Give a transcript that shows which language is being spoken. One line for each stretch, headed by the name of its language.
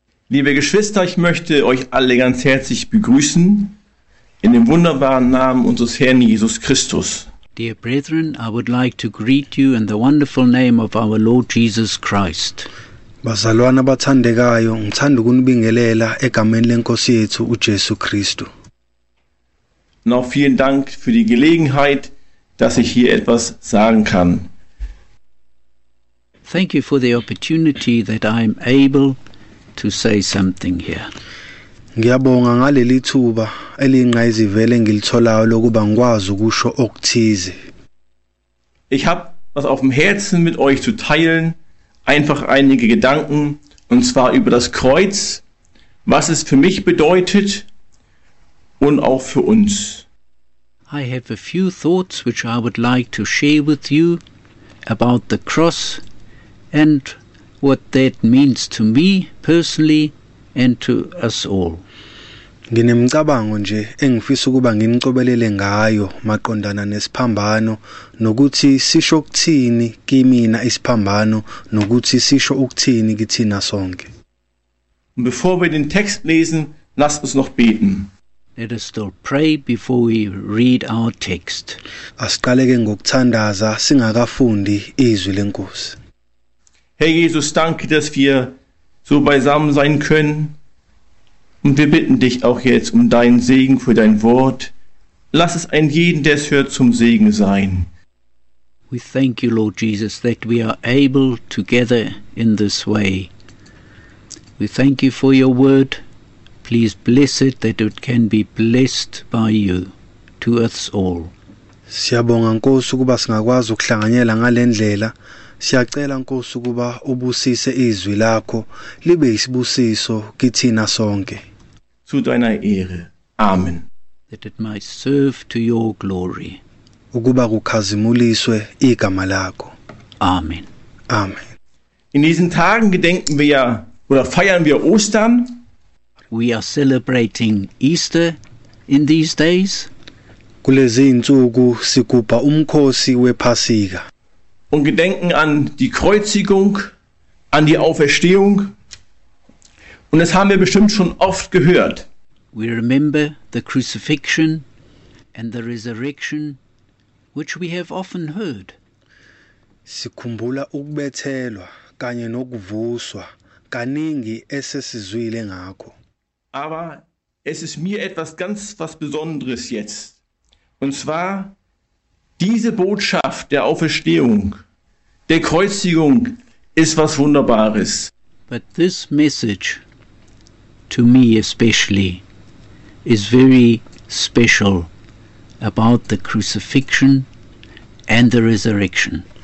German: Liebe Geschwister, ich möchte euch alle ganz herzlich begrüßen in dem wunderbaren Namen unseres Herrn Jesus Christus.
English: Dear brethren, I would like to greet you in the wonderful name of our Lord Jesus Christ.
Zulu: Bazalwane abathandekayo, ngithanda ukunibingelela egameni lenkosi yethu uJesu Christu.
German: Noch vielen Dank für die Gelegenheit, dass ich hier etwas sagen kann.
English: Thank you for the opportunity that I am able to say something here.
Zulu: Ngiyabonga ngaleli thuba elingqayizivele ngilitholayo lokuba ngikwazi ukusho okuthize.
German: Ich habe was auf dem Herzen mit euch zu teilen, einfach einige Gedanken, und zwar über das Kreuz, was es für mich bedeutet und auch für uns.
English: I have a few thoughts which I would like to share with you about the cross and what that means to me personally and to us all.
Zulu: Nginemicabango nje engifisa ukuba nginicobelele ngayo maqondana nesiphambano nokuthi sisho ukuthini kimi na isiphambano nokuthi sisho ukuthini kithina sonke.
German: Bevor wir den Text lesen, lasst uns noch beten.
English: Let us still pray before we read our text.
Zulu: Asiqaleke ngokuthandaza singakafundi izwi lenkosi.
German: Herr Jesus, danke, dass wir so beisammen sein können. Und wir bitten dich auch jetzt um deinen Segen für dein Wort. Lass es ein jeden, der es hört, zum Segen sein.
English: We thank you, Lord Jesus, that we are able to gather in this way. We thank you for your word. Please bless it, that it can be blessed by you to us all.
Zulu: Siyabonga Nkosi ukuba singakwazi ukuhlanganyela ngalendlela. Siyacela Nkosi ukuba ubusise izwi lakho libe isibusiso kithina sonke.
German: Zu deiner Ehre. Amen.
English: That it might serve to your glory.
Zulu: Ukuba kukhazimuliswe igama lakho.
German: Amen. Amen. In diesen Tagen gedenken wir ja oder feiern wir Ostern.
English: We are celebrating Easter in these days.
Zulu: Kulezi insuku sigubha umkhosi wePhasika.
German: Und gedenken an die Kreuzigung, an die Auferstehung. Und das haben wir bestimmt schon oft gehört.
English: We remember the crucifixion and the resurrection, which we have often heard.
Zulu: Sikhumbula ukubethelwa kanye nokuvuswa kaningi esesizwile ngakho.
German: Aber es ist mir etwas ganz was Besonderes jetzt. Und zwar diese Botschaft der Auferstehung, der Kreuzigung ist was Wunderbares.
English: But this message to me especially is very special about the crucifixion and the resurrection.